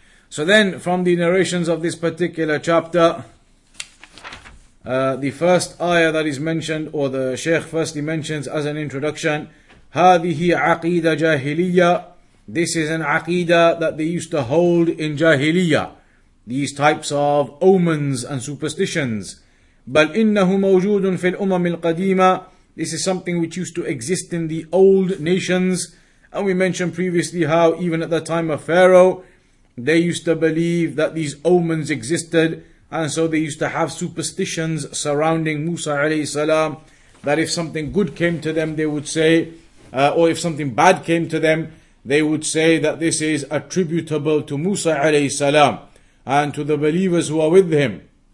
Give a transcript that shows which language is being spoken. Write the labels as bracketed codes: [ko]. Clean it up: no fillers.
[en] So then, from the narrations of this particular chapter, the first ayah that is mentioned, or the Shaykh firstly mentions as an introduction, [ar] هذه عقيدة جاهلية. [en] This is an aqeedah that they used to hold in jahiliyyah. These types of omens and superstitions. [ar] بل إنه موجود في الأمم القديمة. [en] This is something which used to exist in the old nations. And we mentioned previously how even at the time of Pharaoh, they used to believe that these omens existed, and so they used to have superstitions surrounding Musa alayhi salam, that if something good came to them, they would say, or if something bad came to them, they would say that this is attributable to Musa alayhi salam and to the believers who are with him.